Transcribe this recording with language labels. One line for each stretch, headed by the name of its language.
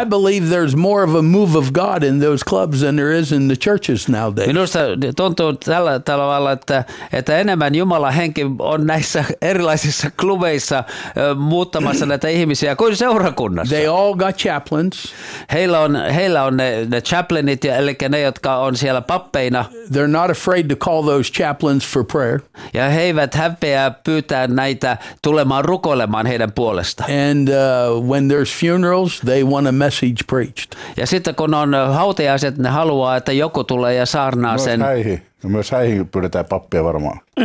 English: I believe there's more of a move of God in those clubs than there is in the churches nowadays.
Finnish: Minusta tuntuu tällä tavalla, että enemmän Jumalan henki on näissä erilaisissa klubeissa muuttamassa näitä ihmisiä kuin seurakunnassa.
English: They all got chaplains.
Finnish: Heillä on ne chaplainit, eli ne, jotka on siellä pappeina.
English: They're not afraid to call those chaplains for prayer.
Finnish: Ja he eivät häpeä pyytää näitä tulemaan rukoilemaan heidän puolesta.
English: And when there's funerals, they want a message preached.
Finnish: Ja sitten kun on hautajaiset, ne haluaa, että joku tulee ja saarnaa sen. Myös häihin pyydetään pappia varmaan.